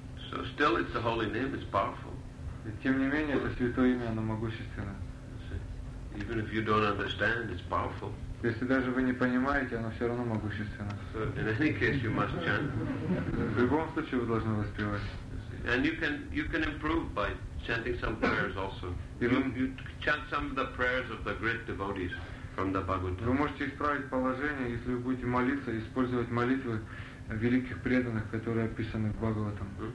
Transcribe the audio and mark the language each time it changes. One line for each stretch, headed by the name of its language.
English: So still it's the holy name, it's powerful.
Russian: Тем не менее, это святое имя, оно могущественно.
English: Even if you don't understand, it's powerful.
Russian: Если даже вы не понимаете, оно все равно могущественно.
English: So in any case, you must chant.
Russian: В любом случае, вы должны воспевать.
English: And you can improve by chanting some prayers also. You chant some of the prayers of the great devotees from the Bhagavatam.
Russian: Вы можете исправить положение, если вы будете молиться, использовать молитвы великих преданных, которые описаны в Бхагаватам.